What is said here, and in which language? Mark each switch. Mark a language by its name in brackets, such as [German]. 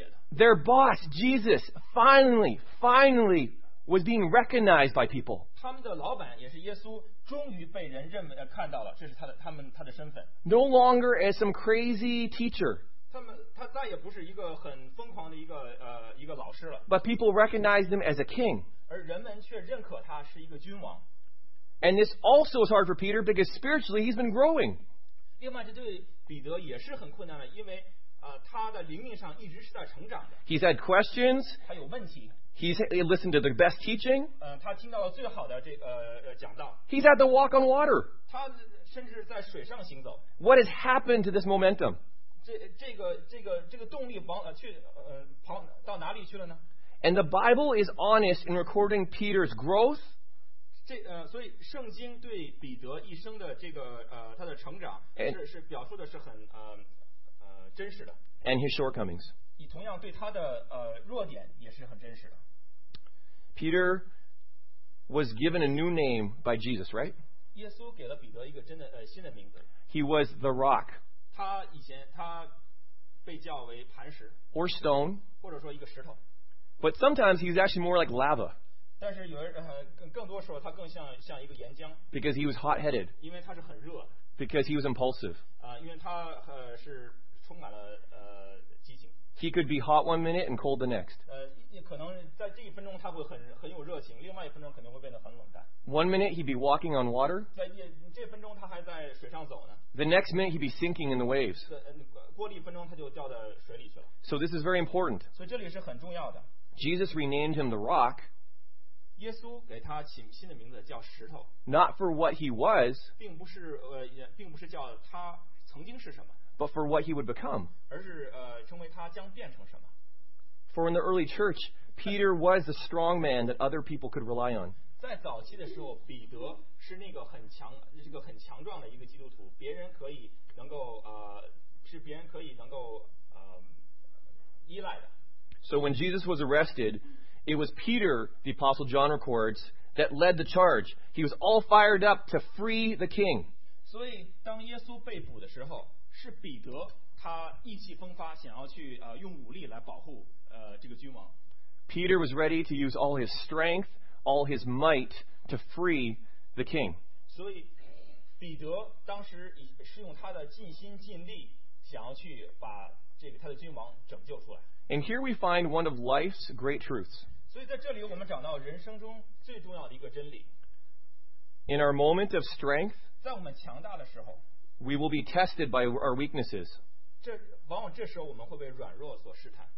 [English] Their boss, Jesus, finally was being recognized by people. [Chinese] 他们的老板也是耶稣，终于被人认看到了，这是他的身份。 [English] No longer as some crazy teacher. [Chinese] 他再也不是一个很疯狂的一个老师了。 [English] But people recognized him as a king. [Chinese] 而人们却认可他是一个君王。 [English] And this also is hard for Peter because spiritually he's been growing. [Chinese] 另外，这对彼得也是很困难的，因为。他的灵命上一直是在成长的。 [English] He's had questions. [Chinese] 他有问题。 [English] He's listened to the best teaching. [Chinese] 他听到了最好的讲道。 [English] He's had to walk on water. [Chinese] 他甚至在水上行走。 [English] What has happened to this momentum? [Chinese] 这个动力跑到哪里去了呢？ [English] And the Bible is honest in recording Peter's growth. [Chinese] 所以圣经对彼得一生的他的成长是表述的是很真实的。 [English] And his shortcomings. [Chinese] 你同样对他的弱点也是很真实的。 [English] Peter was given a new name by Jesus, right? [Chinese] 耶稣给了彼得一个真的新的名字。 [English] He was the rock. [Chinese] 他以前他被叫为磐石。 [English] Or stone. [Chinese] 或者说一个石头。 [English] But sometimes he was actually more like lava. [Chinese] 但是有更多时候他更像一个岩浆。 [English] Because he was hot-headed. [Chinese] 因为他是很热。 [English] Because he was impulsive. [Chinese] 因为他是。充满了激情。 [English] He could be hot one minute and cold the next. [Chinese] 可能在这一分钟他会很有热情，另外一分钟可能会变得很冷淡。 [English] One minute he'd be walking on water. [Chinese] 这分钟他还在水上走呢。 [English] The next minute he'd be sinking in the waves. [Chinese] 过了一分钟他就掉到水里去了。 [English] So this is very important. [Chinese] 所以这里是很重要的。 [English] Jesus renamed him the rock. [Chinese] 耶稣给他起新的名字叫石头。 [English] Not for what he was. [Chinese] 并不是叫他曾经是什么。 [English] But for what he would become. [Chinese] 而是成为他将变成什么。 [English] For in the early church, Peter was the strong man that other people could rely on. [Chinese] 在早期的时候，彼得是那个很强壮的一个基督徒，别人可以能够是别人可以能够依赖的。 [English] So when Jesus was arrested, it was Peter, the Apostle John records, that led the charge. He was all fired up to free the king. [Chinese] 所以当耶稣被捕的时候。是彼得他意气风发想要去用武力来保护这个君王。 [English] Peter was ready to use all his strength, all his might to free the king. [Chinese] 所以彼得当时是用他的尽心尽力想要去把这个他的君王拯救出来。 [English] And here we find one of life's great truths. [Chinese] 所以在这里我们找到人生中最重要的一个真理。 [English] In our moment of strength, [Chinese] 在我们强大的时候, [English] we will be tested by our weaknesses. [Chinese] 这往往这时候我们会被软弱所试探。